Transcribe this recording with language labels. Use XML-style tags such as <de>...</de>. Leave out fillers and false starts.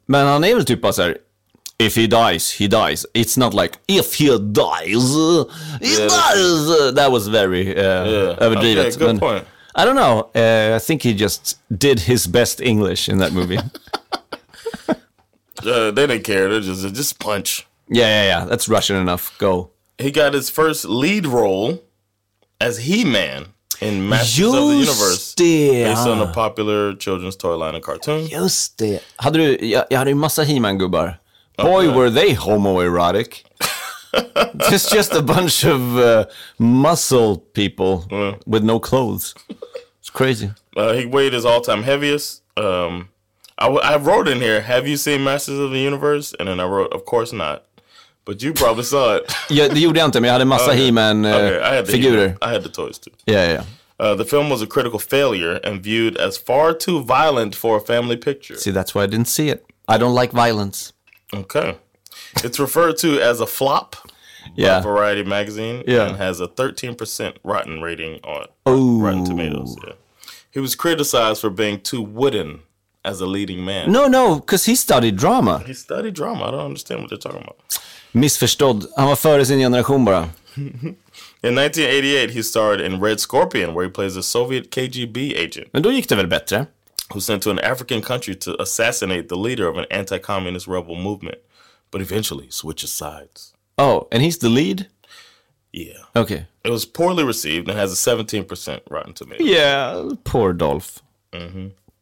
<sv>Men han är väl typ så här,</sv> <en>if he dies, he dies. It's not like if he dies, he dies. That was very overdrivet. Okay, good point. I don't know. I think he just did his best English in that movie. They didn't care. They just punch. Yeah. That's Russian enough. Go. He got his first lead role as He-Man in Masters just of the Universe. Based on a popular children's toy line and cartoon.</en> <sv>Just det. Jag hade ju massa He-Man-gubbar.</sv> <en>Boy, were they homoerotic. It's just a bunch of muscle people with no clothes. It's crazy. He weighed his all-time heaviest I wrote in here, have you seen Masters of the Universe? And then I wrote, of course not. But you probably saw it.</en> <sv>Yeah, det gjorde jag inte, men jag hade en massa He-Man figurer.</sv> <en>I had the toys too. Yeah. The film was a critical failure and viewed as far too violent for a family picture. See, that's why I didn't see it. I don't like violence. Okay. It's referred to as a flop by Variety magazine and has a 13% rotten rating on Rotten Tomatoes. Yeah. He was criticized for being too wooden as a leading man. No, because he studied drama. He studied drama. I don't understand what they're talking about.</en> <sv>Misförstådd. Han var före sin generation bara.</sv> <en>In 1988, he starred in Red Scorpion, where he plays a Soviet KGB agent.</en> <sv>Men då gick det väl bättre.</sv> <en>Who sent to an African country to assassinate the leader of an anti-communist rebel movement, but eventually switches sides. Oh, and he's the lead? Yeah. Okay. It was poorly received and has a 17% Rotten Tomatoes. Yeah, poor Dolph. Mm-hmm.</en>